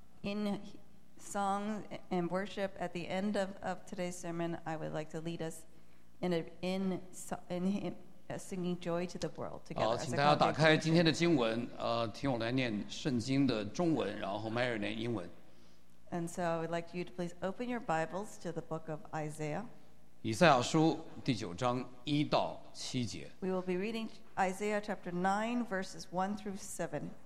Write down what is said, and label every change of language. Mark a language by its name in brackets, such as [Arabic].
[English] In song and worship, at the end of today's sermon, I would like to lead us in singing Joy to the World together. [Chinese] 请大家打开今天的经文，听我来念圣经的中文，然后麦尔念英文。 [English] And so I would like you to please open your Bibles to the book of Isaiah. [Chinese] 以赛亚书第九章一到七节。 [English] We will be reading Isaiah chapter 9, verses 1 through 7.